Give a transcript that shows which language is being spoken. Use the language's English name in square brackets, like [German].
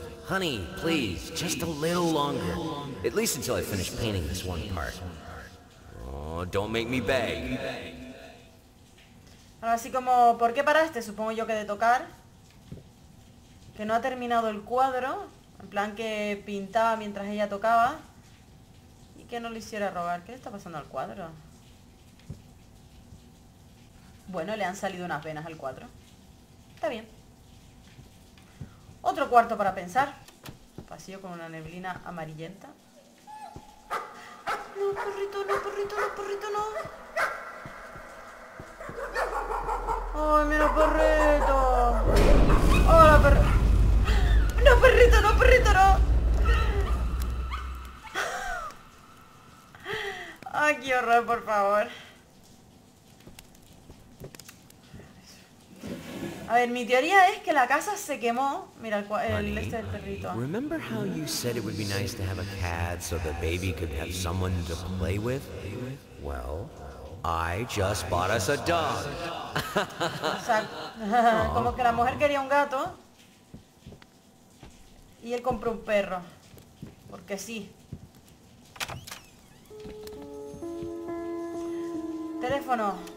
[English] Honey, please, just a little longer. At least until I finish painting this one part. Oh, don't make me beg. [Spanish] Bueno, así como, ¿por qué paraste? Supongo yo que de tocar. Que no ha terminado el cuadro. En plan que pintaba mientras ella tocaba. Y que no le hiciera rogar. ¿Qué le está pasando al cuadro? Bueno, le han salido unas venas al cuadro. Está bien. Otro cuarto para pensar. Pasillo con una neblina amarillenta. No, perrito, no, perrito, no, perrito, no. ¡Ay, mira, perrito! ¡Hola, perrito! ¡No, perrito, no, perrito, no! ¡Ay, qué horror, por favor! A ver, mi teoría es que la casa se quemó. Mira, el perrito. [English] Remember how you said it would be nice to have a cat so the baby could have someone to play with? Well, I just bought us a dog. [Spanish] O sea, como que la mujer quería un gato y él compró un perro. Porque sí. Teléfono.